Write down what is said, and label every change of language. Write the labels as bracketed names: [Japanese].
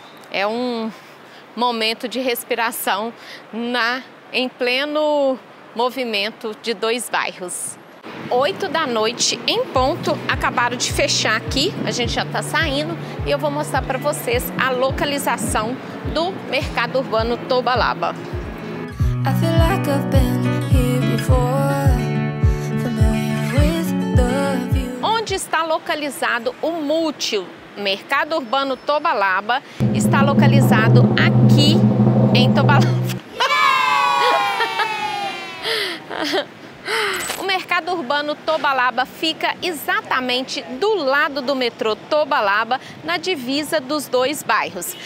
[Portuguese] É um momento de respiração em pleno movimento de dois bairros. 8 da noite em ponto, acabaram de fechar aqui, a gente já está saindo e eu vou mostrar para vocês a localização do Mercado Urbano Tobalaba. [English] I feel like I've been here before, familiar with the view. [Portuguese] Onde onde está localizado o Múltiplo, Mercado Urbano Tobalaba, está localizado aqui em Tobalaba. O Mercado Urbano Tobalaba fica exatamente do lado do metrô Tobalaba, na divisa dos dois bairros.